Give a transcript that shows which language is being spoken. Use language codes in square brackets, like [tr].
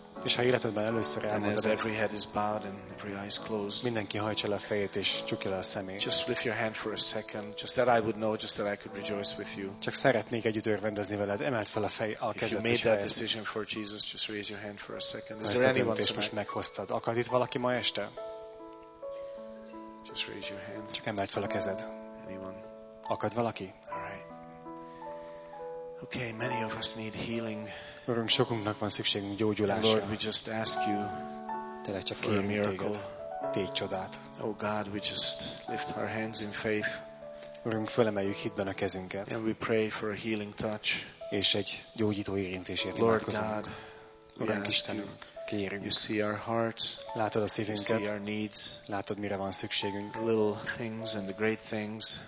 [hu] és ha életedben először elmondod ezt, mindenki hajtsa le a fejét és csukja le a szemét. [en] Just lift your hand for a second, just that I would know, just that I could rejoice with you. [hu] Csak szeretnék együtt örvendezni veled. Emeld fel a fej, a kezed. [en] If you made that decision for Jesus, just raise your hand for a second. Is there anyone tonight? [hu] Most meghoztad. Akad itt valaki ma este? [en] Just raise your hand. [hu] Csak emeld fel a kezed. [en] Anyone? [hu] Akad valaki? [en] All right. Okay, many of us need healing. [hu] Urunk, sokunknak van szükségünk gyógyulásra. [en] Lord, we just ask you, [hu] tele csak kérünk miracle, tégy csodát. [en] Oh God, we just lift our hands in faith. [hu] Urunk, fölemeljük hitben a kezünket. [en] And we pray for a healing touch. [hu] És egy gyógyító érintésért [en] Lord God, [hu] Urunk, Istenünk, kérünk. [en] You see our hearts. [hu] Látod a szívünket. [en] You see our needs. [hu] Látod, mire van szükségünk. [en] Little things and the great things.